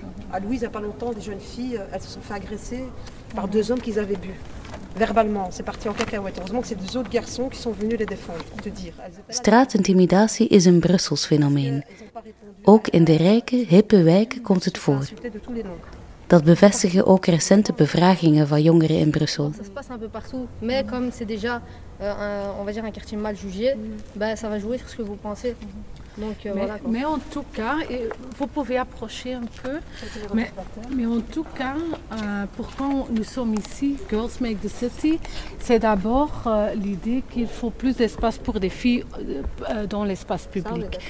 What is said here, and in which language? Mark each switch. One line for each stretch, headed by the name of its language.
French: À Louise, il y a pas longtemps, des jeunes filles, elles se sont fait agresser par deux hommes qu'ils avaient bu. Verbalement, c'est parti en cacahuète. Heureusement que c'est deux autres garçons qui sont venus les défendre, te dire.
Dutch: Straatintimidatie is een Brussels fenomeen. Ook in de rijke, hippe wijken komt het voor. Dat bevestigen ook recente bevragingen van jongeren in Brussel.
French: Ça se passe un peu partout, mais comme c'est déjà on va dire un quartier mal jugé, bah ça va jouer sur ce que vous pensez. Donc voilà. Mais en tout cas, vous pouvez approcher un peu. Mais en tout cas, pourquoi nous sommes ici, Girls Make the City, c'est d'abord l'idée qu'il faut plus d'espace pour des filles dans l'espace public.